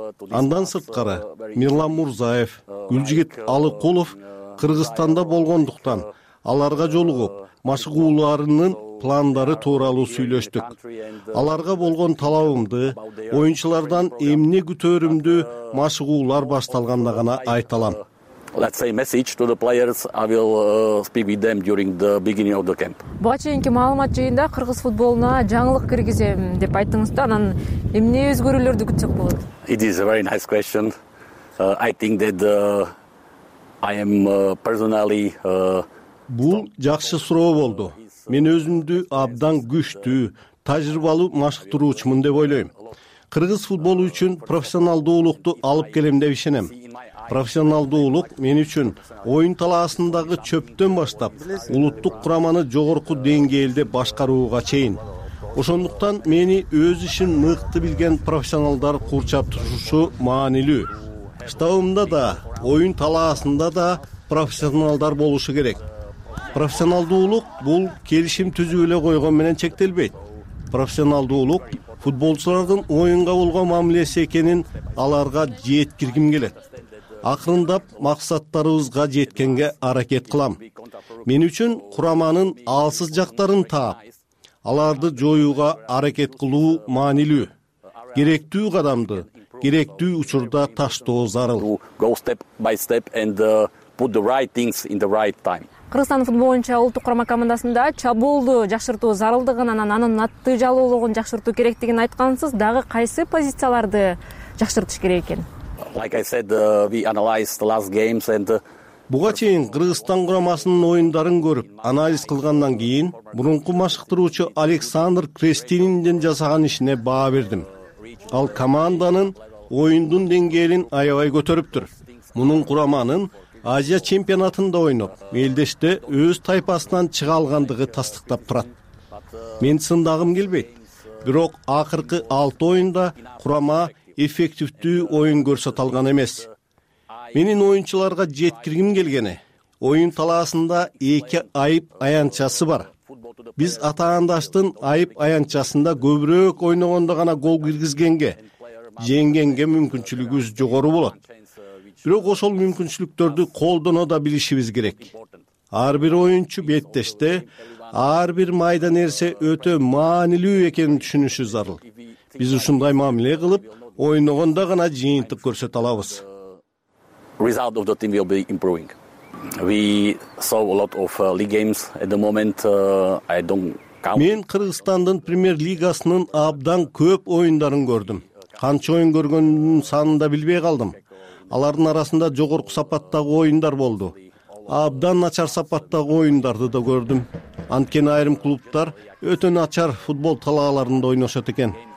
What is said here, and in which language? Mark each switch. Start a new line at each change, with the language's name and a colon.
Kyrgyz: Андан сырткары Мирлан Мурзаев, Гүлжигит Алыкулов Кыргызстанда болгондуктан аларга жолугуп машыгууларынын пландары тууралуу сүйлөштүк. Аларга болгон талабымды, оюнчулардан эмне күтөөрүмдү машыгуулар башталганда гана айта алам.
English: Let's say message to the players. I will speak with them during the beginning of the camp.
Kyrgyz: Буга чейинки маалымат жыйында кыргыз футболуна жаңылык киргизем деп айттыңыз да, анан эмне өзгөрүүлөрдү күтсөк болот?
English: It is a very nice question. I think that I am personally
Kyrgyz: Бул жакшы суроо болду. Мен өзүмдү абдан күчтүү, тажрыйбалуу машыктыруучумун деп ойлойм. Кыргыз футболу үчүн профессионалдуулукту алып келем деп ишенем. Профессионалдуулук мен үчүн оюн талаасындагы чөптөн баштап, улуттук кураманы жогорку деңгээлде башкарууга чейин. Ошондуктан мени өз ишин мыкты билген профессионалдар курчап турушу маанилүү. Штабымда да, оюн талаасында да профессионалдар болушу керек. Профессионалдуулук бул келишим түзүп эле койгон менен чектелбейт. Профессионалдуулук футболчулардын оюнга болгон мамилеси экенин аларга жеткиргим келет. Акырындап максаттарыбызга жеткенге аракет кылам. Мен үчүн курамынын алсыз жактарын таап, аларды жоюуга аракет кылуу маанилүү. Керектүү кадамды керектүү учурда таштоо зарыл.
English: Go step by step and put the right things in the right time.
Kyrgyz: Кыргызстан футболунча улуттук курама командасында чабуулду жакшыртуу зарылдыгын, анын натыйжалуулугун жакшыртуу керектигин айткансыз. Дагы кайсы позицияларды жакшыртыш керек экен?
English: Like I said, we analyzed the last games and
Kyrgyz: буга чейин Кыргызстан курамасынын оюндарын көрүп, анализ кылгандан кийин мурунку машыктыруучу Александр Крестининдин жасаган ишине баа бердим. Ал команданын оюндун деңгээлин аябай көтөрүптүр. Мунун курамасынын Азия чемпионатында ойноп, элдеште өз тайпасынан чыга алгандыгы тастыктап турат. Мен сындагым келбейт. Бирок акыркы 6 оюнда курама эффективдүү оюн көрсөтө алган эмес. Менин оюнчуларга жеткиргим келгени, оюн талаасында 2 айып аянтчасы бар. Биз атаандаштын айып аянтчасында көбүрөөк ойногондо гана гол киргизгенге, жеңгенге мүмкүнчүлүгүбүз жогору болот. Бирок ошол мүмкүнчүлүктөрдү колдоно да билишибиз керек. Ар бир оюнчу беттеште ар бир майда нерсе өтө маанилүү экенин түшүнүшү зарыл. Биз ушундай мамиле кылып, ойногондо гана жыйынтык көрсөтө алабыз.
English: Result of the team will be improving. We saw a lot of league games at the moment. I don't count.
Kyrgyz: Мен Кыргызстандын Премьер Лигасынын абдан көп оюндарын көрдүм. Канча оюн көргөнүн санын да билбей калдым. Алардын арасында жогорку сапаттагы оюндар болду. Абдан начар сапаттагы оюндарды да көрдүм. Анткени айрым клубтар өтө начар футбол талааларында ойношот экен.